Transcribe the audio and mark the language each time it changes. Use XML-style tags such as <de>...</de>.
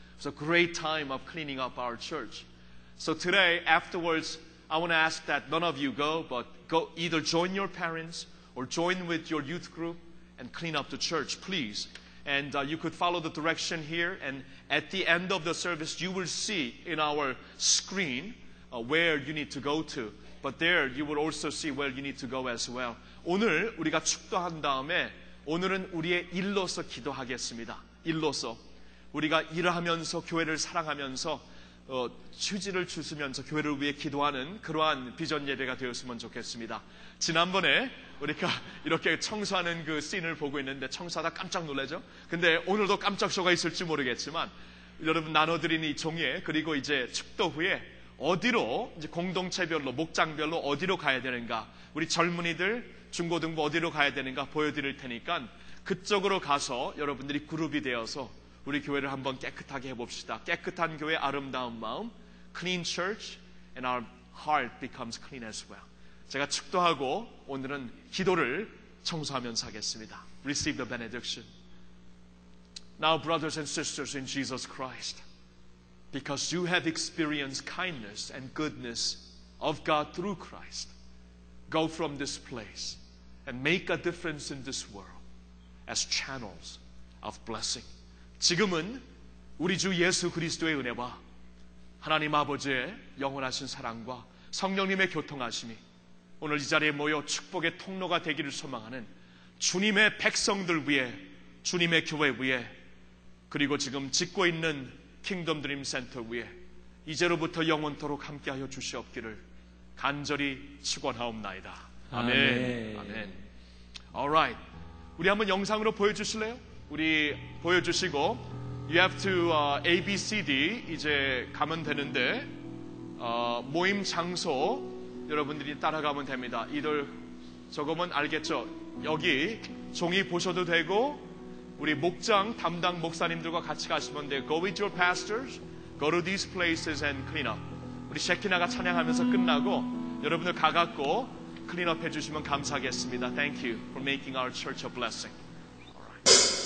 <en>It was a great time of cleaning up our church. So today, afterwards, I want to ask that none of you go, but go either join your parents or join with your youth group and clean up the church, please. And you could follow the direction here, and at the end of the service, you will see in our screen where you need to go to. But there, you will also see where you need to go as well.</en> <ko>오늘 우리가 축도한 다음에 오늘은 우리의 일로서 기도하겠습니다. 일로서 우리가 일을 하면서 교회를 사랑하면서 휴지를 주시면서 교회를 위해 기도하는 그러한 비전 예배가 되었으면 좋겠습니다. 지난번에 우리가 이렇게 청소하는 그 씬을 보고 있는데 청소하다 깜짝 놀라죠? 근데 오늘도 깜짝쇼가 있을지 모르겠지만 여러분 나눠드린 이 종이에 그리고 이제 축도 후에 어디로 이제 공동체별로 목장별로 어디로 가야 되는가 우리 젊은이들 중고등부 어디로 가야 되는가 보여드릴 테니까 그쪽으로 가서 여러분들이 그룹이 되어서 우리 교회를 한번 깨끗하게 해봅시다. 깨끗한 교회 아름다운 마음</ko> <en>Clean church and our heart becomes clean as well.</en> <ko>제가 축도하고 오늘은 기도를 청소하면서 하겠습니다.</ko> <en>Receive the benediction. Now brothers and sisters in Jesus Christ, because you have experienced kindness and goodness of God through Christ, go from this place and make a difference in this world as channels of blessing.</en> <ko>지금은 우리 주 예수 그리스도의 은혜와 하나님 아버지의 영원하신 사랑과 성령님의 교통하심이 오늘 이 자리에 모여 축복의 통로가 되기를 소망하는 주님의 백성들 위해 주님의 교회 위해 그리고 지금 짓고 있는 킹덤 드림 센터 위해 이제로부터 영원토록 함께하여 주시옵기를 간절히 축원하옵나이다. 아멘. 아멘. Alright, 우리 한번 영상으로 보여주실래요? 우리 보여주시고</ko> <en>You have to</en> <ko>A, B, C, D 이제 가면 되는데 모임 장소 여러분들이 따라가면 됩니다. 이들 조금은 알겠죠? 여기 종이 보셔도 되고 우리 목장 담당 목사님들과 같이 가시면 돼요.</ko> <en>Go with your pastors, go to these places and clean up.</en> <ko>우리 셰키나가 찬양하면서 끝나고 여러분들 가갖고 clean up 해주시면 감사하겠습니다.</ko> <en>Thank you for making our church a blessing.</en>